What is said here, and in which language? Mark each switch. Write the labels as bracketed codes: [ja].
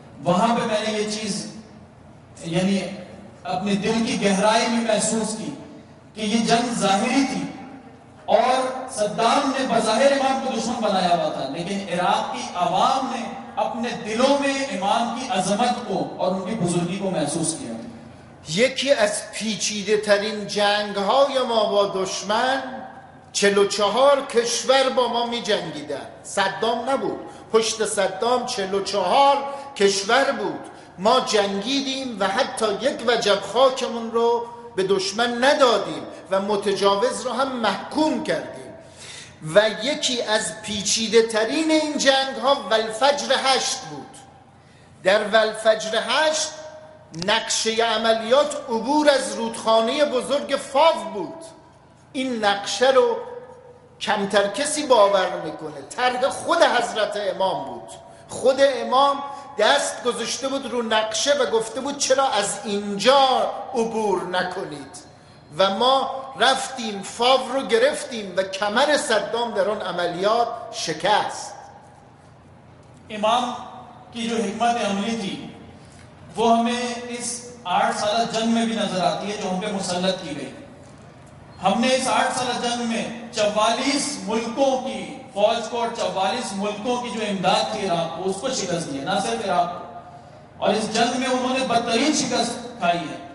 [ur] وہاں پہ میں نے یہ چیز یعنی اپنے دل کی گہرائی میں محسوس کی کہ یہ جنگ ظاہری تھی اور صدام نے بظاہر امام کو دشمن بنایا ہوا تھا، لیکن عراق کی عوام نے اپنے دلوں میں امام کی عظمت کو اور ان کی بزرگی کو محسوس کیا. [fa] یکی از پیچیده ترین جنگ های ما با دشمن، 44 کشور با ما می جنگیدن، صدام نبود، پشت صدام 44 کشور بود. ما جنگیدیم و حتی یک وجب خاکمون رو به دشمن ندادیم و متجاوز رو هم محکوم کردیم. و یکی از پیچیده ترین این جنگ ها ولفجر 8 بود. در ولفجر 8 نقشه عملیات عبور از رودخانه بزرگ فاو بود. این نقشه رو کمتر کسی باور میکنه، طرح خود حضرت امام بود. خود امام دست گذاشته بود رو نقشه و گفته بود چرا از اینجا عبور نکنید، و ما رفتیم فاو رو گرفتیم و کمر صدام در اون عملیات شکست. [ur] امام کی جو حکمت عملی تھی وہ ہمیں اس 8 سالہ جنگ میں بھی نظر آتی ہے جو ہم پہ مسلط کی گئی. ہم نے اس 8 سالہ جنگ میں 44 ملکوں کی فوج کو اور 44 ملکوں کی جو امداد تھی عراق کو، اس کو شکست دیا، نہ صرف عراق کو، اور اس جنگ میں انہوں نے بدترین شکست کھائی ہے.